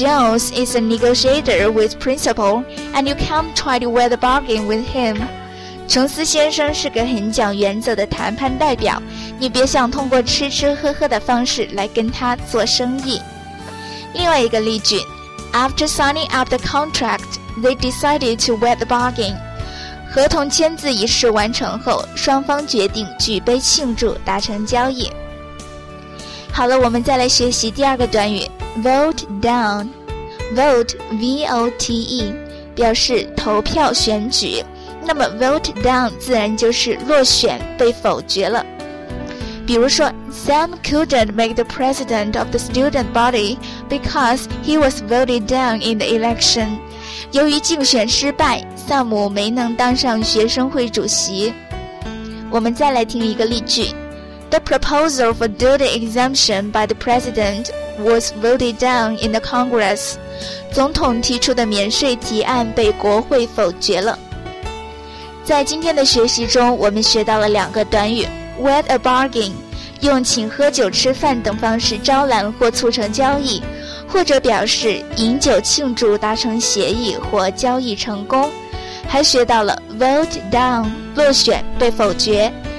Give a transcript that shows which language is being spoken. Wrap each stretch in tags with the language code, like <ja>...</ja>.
<en>Jones is a negotiator with principle and you can't try to weather bargain with him。</en> <zh>琼斯先生是个很讲原则的谈判代表，你别想通过吃吃喝喝的方式来跟他做生意。另外一个例句，</zh> <en>After signing up the contract, they decided to weather bargain。</en> <zh>合同签字仪式完成后，双方决定举杯庆祝达成交易。好了，我们再来学习第二个短语 vote down。 vote V-O-T-E 表示投票选举，那么 vote down 自然就是落选被否决了。比如说</zh> <en>Sam couldn't make the president of the student body because he was voted down in the election。</en> <zh>由于竞选失败，萨姆没能当上学生会主席。我们再来听一个例句，</zh> <en>The proposal for duty exemption by the president was voted down in the Congress。</en> <zh>总统提出的免税提案被国会否决了。在今天的学习中，我们学到了两个短语 wet a bargain， 用请喝酒吃饭等方式招揽或促成交易，或者表示饮酒庆祝达成协议或交易成功，还学到了 vote down 落选被否决。</zh>